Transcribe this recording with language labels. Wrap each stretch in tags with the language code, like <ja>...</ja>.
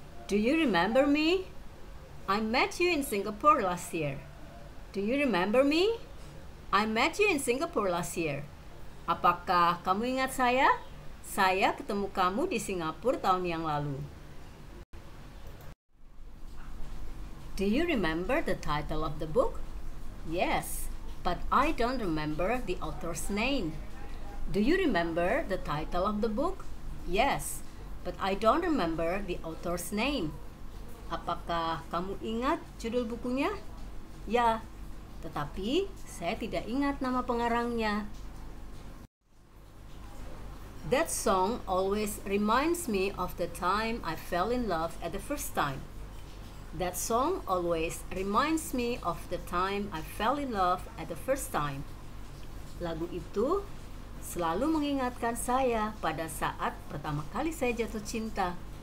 <en>Do you remember me? I met you in Singapore last year. Do you remember me? I met you in Singapore last year.</en> <id>Apakah kamu ingat saya? Saya ketemu kamu di Singapura tahun yang lalu.</id> <en>Do you remember the title of the book? Yes, but I don't remember the author's name. Do you remember the title of the book? Yes, but I don't remember the author's name.</en> <id>Apakah kamu ingat judul bukunya? Ya, tetapi saya tidak ingat nama pengarangnya.</id> <en>That song always reminds me of the time I fell in love at the first time. That song always reminds me of the time I fell in love at the first time.</en> <id>Lagu itu selalu mengingatkan saya pada saat pertama kali saya jatuh cinta.</id>